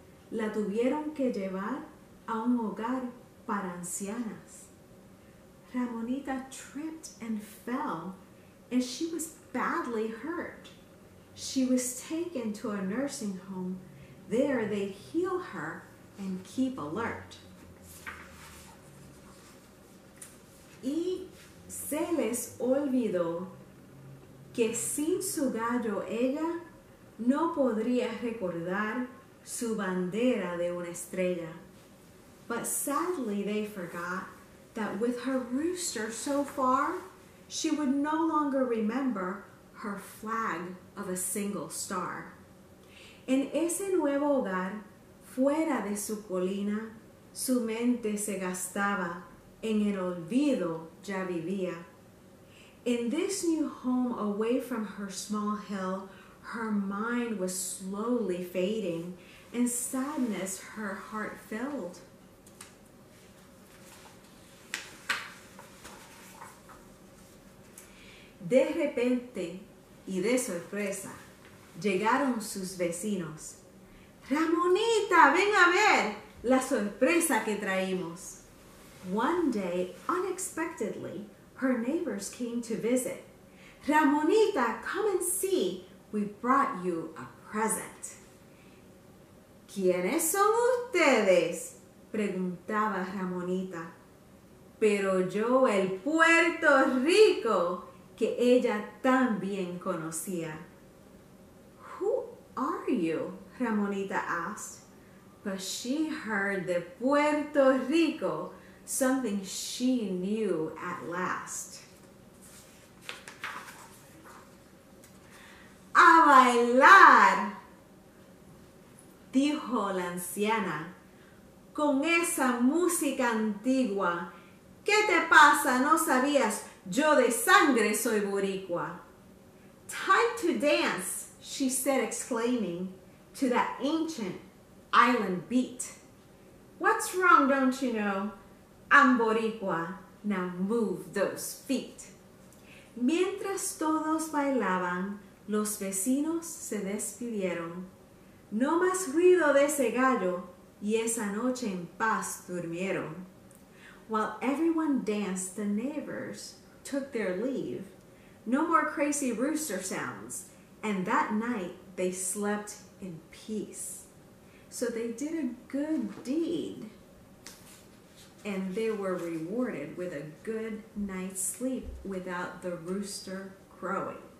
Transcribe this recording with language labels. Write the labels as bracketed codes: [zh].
[es] La tuvieron que llevar a un hogar para ancianas. [en] Ramonita tripped and fell, and she was badly hurt. She was taken to a nursing home. There they heal her and keep alert. [es] Y se les olvidó que sin su gallo ella no podría recordar su bandera de una estrella. [en] But sadly they forgot that with her rooster so far, she would no longer remember her flag of a single star. [es] En ese nuevo hogar, fuera de su colina, su mente se gastaba, en el olvido ya vivía. [en] In this new home away from her small hill, her mind was slowly fading, and sadness her heart filled. [es] De repente y de sorpresa, llegaron sus vecinos. ¡Ramonita, ven a ver la sorpresa que traímos! [en] One day, unexpectedly, her neighbors came to visit. ¡Ramonita, come and see! We brought you a present. [es] ¿Quiénes son ustedes? Preguntaba Ramonita. Pero yo, el Puerto Rico, que ella tan bien conocía. [en] Who are you? Ramonita asked. But she heard the Puerto Rico, something she knew at last. [es] ¡A bailar! Dijo la anciana. Con esa música antigua. ¿Qué te pasa? ¿No sabías? Yo de sangre soy boricua. [en] Time to dance, she said, exclaiming to that ancient island beat. What's wrong, don't you know? I'm boricua. Now move those feet. [es] Mientras todos bailaban, los vecinos se despidieron. No más ruido de ese gallo, y esa noche en paz durmieron. [en] While everyone danced, the neighbors took their leave. No more crazy rooster sounds, and that night they slept in peace. So they did a good deed, and they were rewarded with a good night's sleep without the rooster crowing.